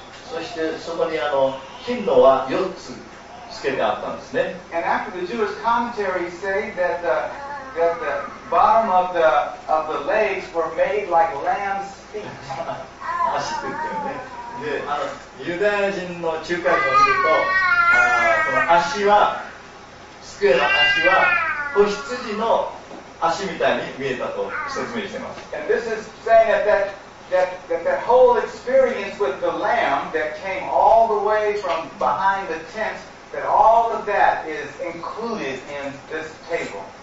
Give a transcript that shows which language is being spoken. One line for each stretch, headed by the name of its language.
Japanese: そしてそこに金の輪4つつけてあったんですね。
English: And after the Jewish commentary say that the bottom of the legs were made like lamb's feet.
Japanese: 足って言ってるね。で、ユダヤ人の仲介者を見ると、この足は、スクエの足は子羊の足みたいに見えたと説明してます。
English: And this is saying that whole experience with the lamb that came all the way from behind the tent, that all of that is included in this table.